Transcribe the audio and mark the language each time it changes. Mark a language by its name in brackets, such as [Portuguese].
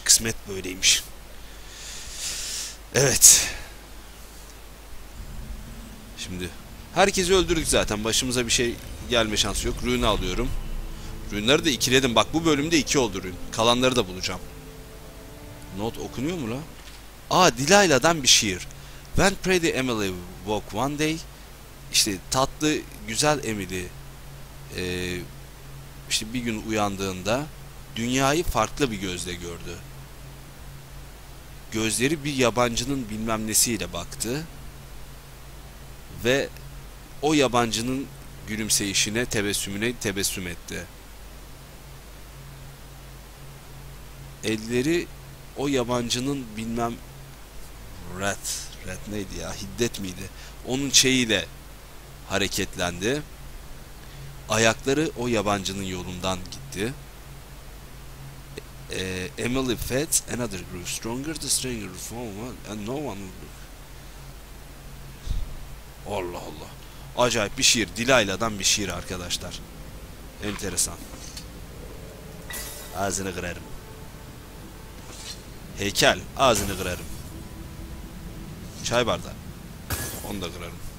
[Turkish] Kısmet böyleymiş. Evet. Şimdi herkesi öldürdük zaten. Başımıza bir şey gelme şansı yok. Rune alıyorum. Rune'ları da ikiledim. Bak, bu bölümde iki oldu rune. Kalanları da bulacağım. Not okunuyor mu la? Aa, Delilah'dan bir şiir. [English] When pretty Emily woke one day. [Turkish] İşte tatlı güzel Emily işte bir gün uyandığında dünyayı farklı bir gözle gördü. Gözleri bir yabancının bilmem nesiyle baktı. Ve o yabancının gülümseyişine, tebessümüne tebessüm etti. Elleri o yabancının bilmem red neydi ya, hiddet miydi? Onun şeyiyle hareketlendi. Ayakları o yabancının yolundan gitti. [English] Emily felt another grew stronger, the stranger form, and no one would. [Turkish] Allah Allah. Acayip bir şiir. Delilah'dan bir şiir arkadaşlar. Enteresan. Ağzını kırarım. Heykel. Ağzını kırarım. Çay bardağı. Onu da kırarım.